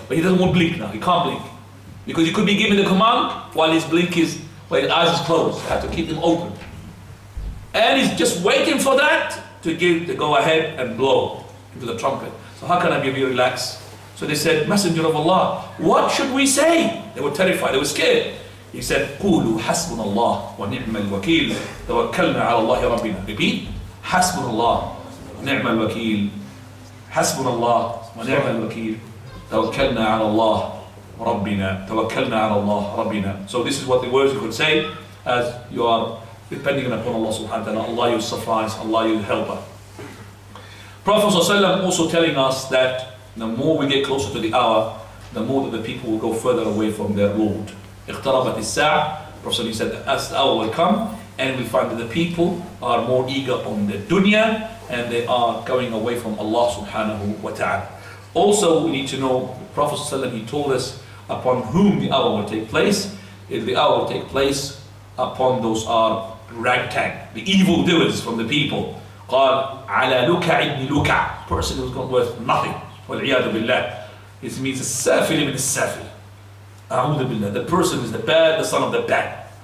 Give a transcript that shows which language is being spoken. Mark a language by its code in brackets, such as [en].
[en] But he doesn't want to blink now, he can't blink. Because he could be given the command while his blink is, while his eyes is closed. He had to keep them open. And he's just waiting for that to give to go ahead and blow into the trumpet. So how can I be relaxed? So they said, Messenger of Allah, what should we say? They were terrified, they were scared. He said, [ar] قُولُوا حَسْبُنَ اللَّهِ وَنِعْمَ الْوَكِيلُ تَوَكَّلْنَا عَلَى اللَّهِ رَبِّنَا. [en] Repeat, [ar] حَسْبُنَ اللَّهِ وَنِعْمَ الْوَكِيلُ. حسبنا الله ونعم الوكيل توكلنا على الله ربنا توكلنا على الله ربنا. [en] So this is what the words you could say as you are depending upon Allah subhanahu wa ta'ala. Allah your suffice, Allah your helper. Prophet ﷺ also telling us that the more we get closer to the hour, the more that the people will go further away from their Lord. [ar] اقتربت الساعة. [en] Prophet ﷺ said as the hour will come, and we find that the people are more eager on the dunya, and they are going away from Allah subhanahu wa ta'ala. Also, we need to know, the Prophet ﷺ, he told us upon whom the hour will take place. If the hour will take place upon those are ragtag, the evil doers from the people, [ar] قال على لكع ابن لكع. [en] Person who's gone worth nothing. [ar] والعياذ بالله. [en] This means [ar] السافل من السافل. أعوذ بالله. [en] The person is the bad, the son of the bad.